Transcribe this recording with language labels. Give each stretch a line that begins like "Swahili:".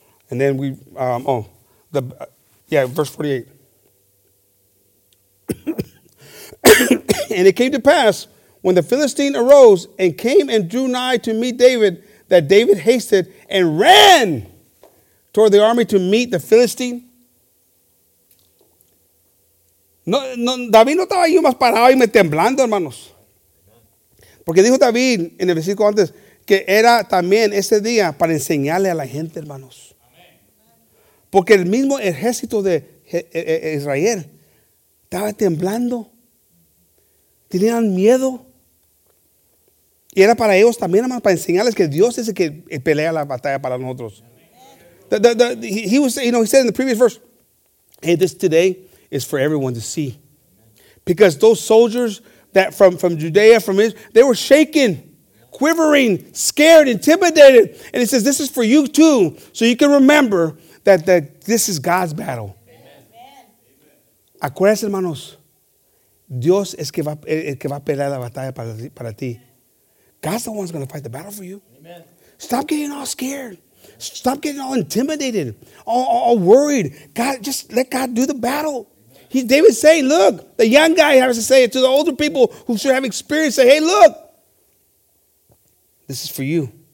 English: Amen. And then we, verse 48. And it came to pass, when the Philistine arose and came and drew nigh to meet David, that David hasted and ran toward the army to meet the Philistine.
Spanish: No, David no estaba ahí más parado y me temblando, hermanos. Porque dijo David en el versículo antes que era también ese día para enseñarle a la gente, hermanos. Porque el mismo ejército de Israel estaba temblando. Tenían miedo. Y era para ellos también, hermanos, para enseñarles que Dios es el que pelea la batalla para nosotros.
English: He said in the previous verse, hey, this today is for everyone to see. Because those soldiers that from Judea, from Israel, they were shaking. quivering, scared, intimidated. And he says, this is for you too. So you can remember that this is God's battle. Amen.
Spanish: Acuérdense, hermanos. Dios es que va a pelear la batalla para ti.
English: God's the one who's going to fight the battle for you. Amen. Stop getting all scared. Stop getting all intimidated, all worried. God, just let God do the battle. David's saying, look, the young guy has to say it to the older people who should have experience. Say, hey, look, this is for you.